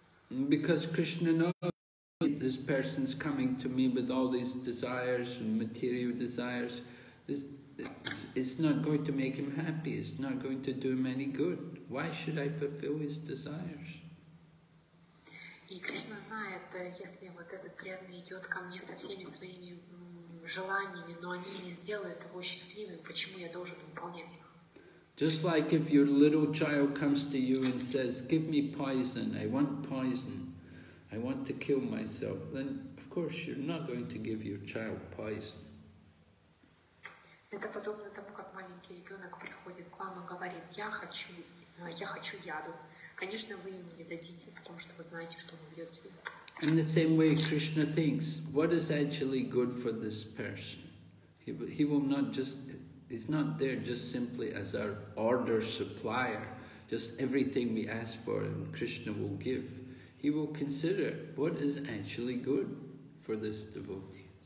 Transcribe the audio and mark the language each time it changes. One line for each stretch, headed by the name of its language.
English: Because Krishna knows this person is coming to me with all these desires and material desires, it's not going to make him happy, it's not going to do him any good. Why should I fulfill his desires?
Russian: И Кришна знает, если вот этот преданный идет ко мне со всеми своими желаниями, но они не сделают его счастливым, почему я должен выполнять их?
English: Just like if your little child comes to you and says, give me poison, I want poison, I want to kill myself, then of course you're not going to give your child poison.
Russian: Это подобно тому, как маленький ребенок приходит к вам и говорит, я хочу яду. Конечно, вы ему не дадите, потому что вы знаете, что он убьет себя.
English: In the same way Krishna thinks, what is actually good for this person? He will not just, he's not there just simply as our order supplier, just everything we ask for and Krishna will give. He will consider what is actually good for this devotee.